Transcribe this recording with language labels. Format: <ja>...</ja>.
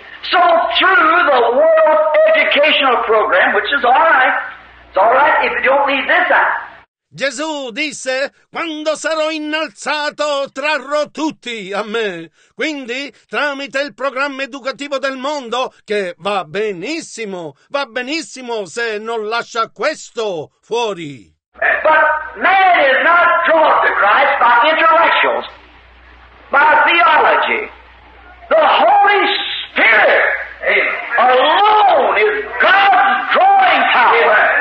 <en>So through the World Educational Program, which is all right, it's all right if you don't need this out.</en> <it>Gesù disse, quando sarò innalzato, trarrò tutti a me. Quindi, tramite il programma educativo del mondo, che va benissimo se non lascia questo fuori.</it> <en>But man is not drawn to Christ by intellectuals, by theology. The Holy Spirit alone is God's drawing power.</en>